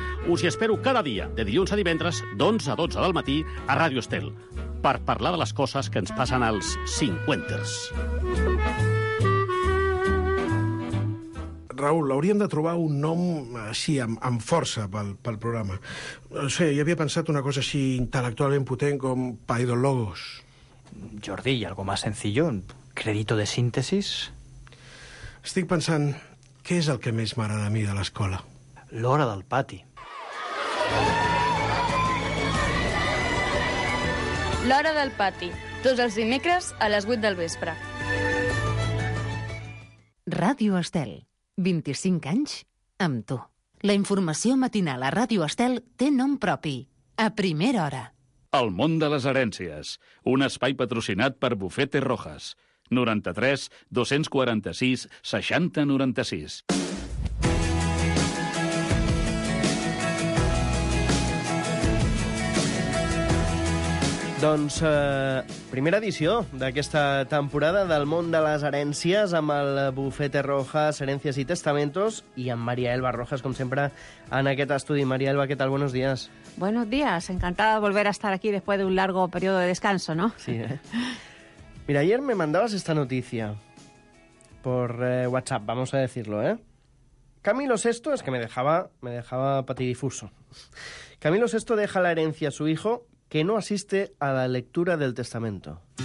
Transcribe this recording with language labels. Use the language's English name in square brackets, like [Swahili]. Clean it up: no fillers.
[Catalan] Us hi espero cada dia, de dilluns a divendres, d'11 a 12 del matí, a Ràdio Estel, per parlar de les coses que ens passen als 50. Raül, l'hauríem de trobar un nom així, amb força, pel programa. No sé, jo havia pensat una cosa així intel·lectualment potent com Paidologos. [Spanish] Jordi, i algo más sencillo, crédito de síntesis. [Catalan] Estic pensant, què és el que més m'agrada a mi de l'escola? L'hora del pati. L'hora del pati, tots els dimecres a les 8 del vespre. Ràdio Estel, 25 anys amb tu. La informació matinal a Ràdio Estel té nom propi, a primera hora. El món de les herències, un espai patrocinat per Bufete Rojas. 93-246-60-96. Doncs primera edició d'aquesta temporada del món de les herències amb el Bufete Rojas, Herències i Testamentos, i amb Maria Elba Rojas, com sempre, en aquest estudi. Maria Elba, què tal? [Spanish] Buenos días. Buenos días. Encantada de volver a estar aquí después de un largo periodo de descanso, ¿no? Sí, ¿eh? Mira, ayer me mandabas esta noticia por WhatsApp, vamos a decirlo, ¿eh? Camilo VI, es que me dejaba patidifuso. Camilo VI deja la herencia a su hijo, que no asiste a la lectura del testamento.